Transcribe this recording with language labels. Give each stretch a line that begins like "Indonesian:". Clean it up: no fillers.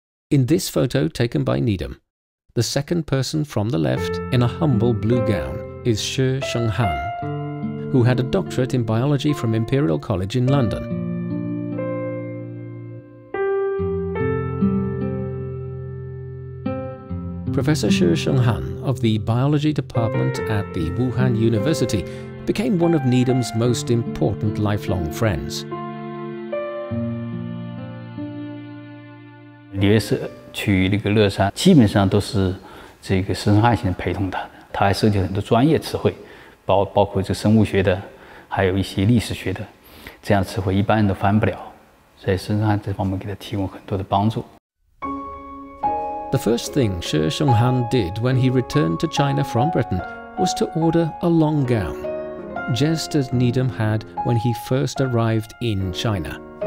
English: In this photo taken by Needham, the second person from the left in a humble blue gown is Shi Shenghan, who had a doctorate in biology from Imperial College in London. Professor Shi Shenghan of the biology department at the Wuhan University became one of Needham's most important lifelong friends.
Chinese: 去那个乐山基本上都是这个石生汉先生陪同他的，他还涉及很多专业词汇，包括这生物学的，还有一些历史学的，这样词汇一般人都翻不了，所以石生汉这方面给他提供很多的帮助。
English: The first thing Shi Shenghan did when he returned to China from Britain was to order a long gown, just as Needham had when he first arrived in China.